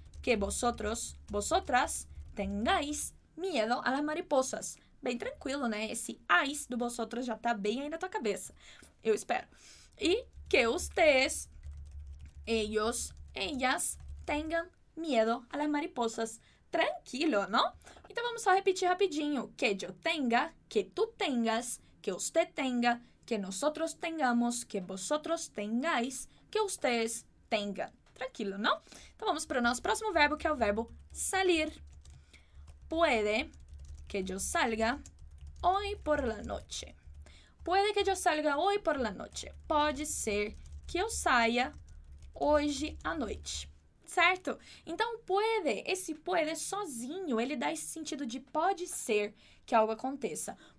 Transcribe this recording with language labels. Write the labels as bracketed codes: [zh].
[es] Que vosotras, tengáis miedo a las mariposas. [pt] Bem tranquilo, né? Esse ais do vosotros já tá bem aí na tua cabeça. Eu espero. [es] E que ustedes, ellos, ellas, tengan miedo a las mariposas. Tranquilo, ¿no? [pt] Então, vamos só repetir rapidinho. [es] Que yo tenga, que tú tengas, que usted tenga, que nosotros tengamos, que vosotros tengáis, que ustedes tengan. Tranquilo, ¿no? [pt] Então, vamos para o nosso próximo verbo, que é o verbo salir. [es] Puede que yo salga hoy por la noche. Puede que yo salga hoy por la noche. [pt] Pode ser que eu saia hoje à noite, certo? Então, puede, esse puede sozinho, ele dá esse sentido de pode ser que algo aconteça.